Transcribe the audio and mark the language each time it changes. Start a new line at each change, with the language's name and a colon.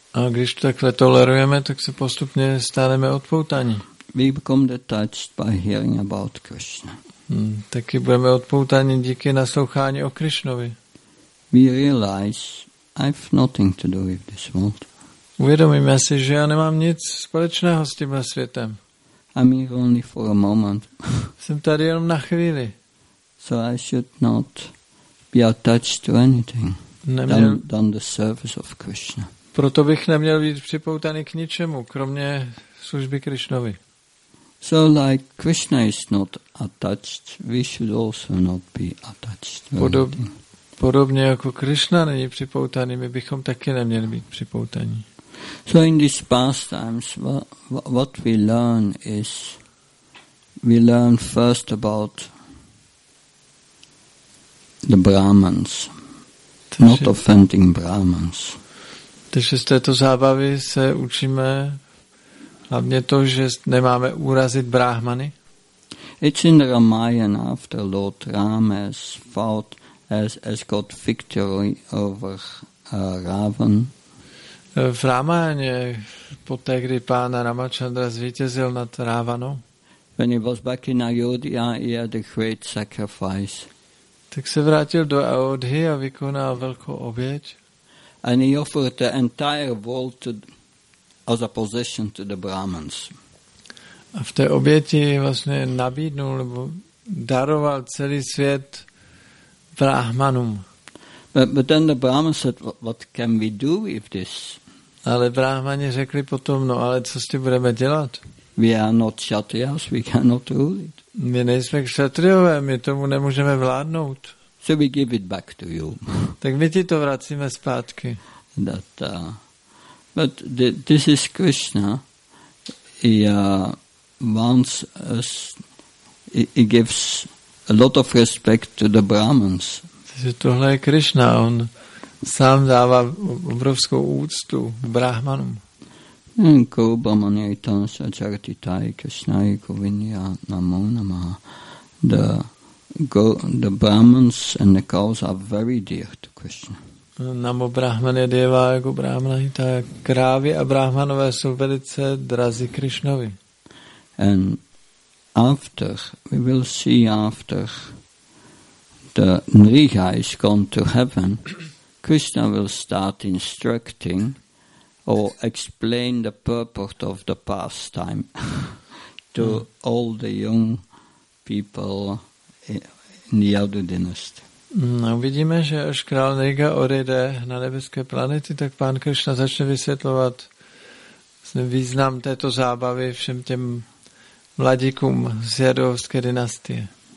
Czech: A když takhle tolerujeme, tak se postupně staneme odpoutaní.
English: We become detached by hearing about Krishna.
Czech: Taky budeme odpoutaní díky naslouchání o Krišnovi.
English: We realize I've nothing to do with this world.
Czech: Uvědomíme si, že já nemám nic společného s tímhle světem.
English: I'm here only for a moment.
Czech: Jsem tady jenom na chvíli.
English: So I should not be attached to anything than the service of Krishna.
Czech: Proto bych neměl být připoutaný k ničemu, kromě služby Krišnovi.
English: So like Krishna is not attached, we should also not be attached to anything.
Czech: Podobně jako Krishna není připoutaný, my bychom taky neměli být připoutaní.
English: So in these pastimes, what we learn is, we learn first about the Brahmans, not offending Brahmans.
Czech: Takže z této zábavy se učíme hlavně to, že nemáme urazit Brahmany.
English: It's in the Ramayana after Lord Rama fought as got victory over Ravan.
Czech: V Ramayaně, poté, kdy pán Ramachandra zvítězil nad Ravanou,
English: when he was back in Ayodhya, he had a great sacrifice.
Czech: Tak se vrátil do Ayodhy a vykonal velkou oběť.
English: And he offered the entire world as a possession to the Brahmans.
Czech: A v té oběti vlastně nabídnul, nebo daroval celý svět Brahmanům.
English: But then the Brahman said, what can we do with this?
Czech: Ale Brahmani řekli potom, no ale co s tím budeme dělat?
English: We are not kshatriyas, we cannot rule it.
Czech: My nejsme kshatriové, my tomu nemůžeme vládnout.
English: So we give it back to you.
Czech: Tak my ti to vracíme zpátky.
English: That, but this is Krishna. He wants us, he gives a lot of respect to the Brahmans.
Czech: Že tohle je Krishna, on sám dává obrovskou úctu Brahmanům. Koba manjaitan sacharti tai kashnai kovinya namo namaha.
English: The Brahmans and the cows are very dear to Krishna. Namo brahmane deva jako brahmanaita.
Czech: Krávy a brahmanové jsou velice drazí Krishnovi.
English: And after, we will see after the Nriha is gone to heaven, Krishna will start instructing or explain the purport of the pastime to all the young people in the Yadu dynasty.
Czech: No, vidíme, že až král Nega odejde na nebeské planety, tak pán Krishna začne vysvětlovat význam této zábavy všem těm mladíkům z jadovské dynastie.